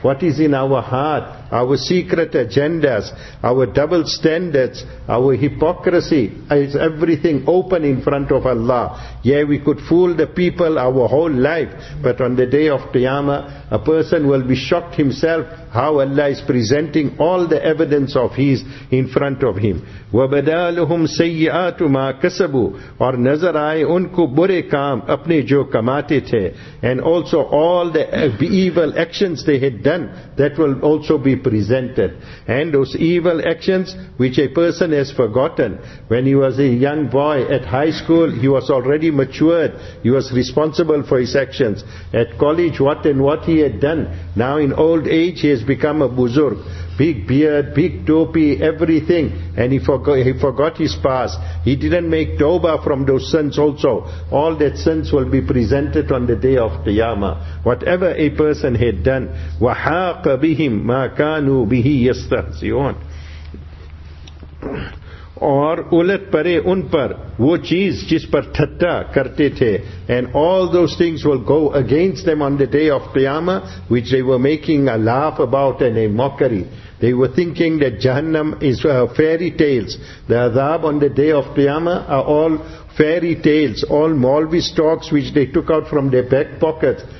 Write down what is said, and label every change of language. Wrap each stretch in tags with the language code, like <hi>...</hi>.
<en>What is in our heart, our secret agendas, our double standards, our hypocrisy, is everything open in front of Allah. Yeah, we could fool the people our whole life, but on the day of Qiyamah, a person will be shocked himself how Allah is presenting all the evidence of his in front of him.</en> <ar>وَبَدَى لَهُمْ سَيِّئَاتُ مَا كَسَبُوا</ar> <ur>اور نظر آئے ان کو برے کام اپنے جو کماتے تھے.</ur> <en>And also all the evil actions they had done, that will also be presented. And those evil actions which a person has forgotten, when he was a young boy at high school, he was already matured, he was responsible for his actions. At college, what and what he had done. Now in old age, he has become a buzurg. Big beard, big topi, everything. And he forgot his past. He didn't make tawbah from those sins also. All that sins will be presented on the day of Qiyamah. Whatever a person had done,</en> <ar>وَحَاقَ بِهِمْ مَا كَانُوا بِهِ يَسْتَحْزِيُونَ</ar> <ur>اور اُلَتْ پَرَے اُن پَر وہ چیز جس پر تھتہ کرتے تھے.</ur> <en>And all those things will go against them on the day of Qiyamah, which they were making a laugh about and a mockery. They were thinking that Jahannam is fairy tales. The adab on the day of Qiyamah are all fairy tales, all Maulvi stalks which they took out from their back pockets.</en>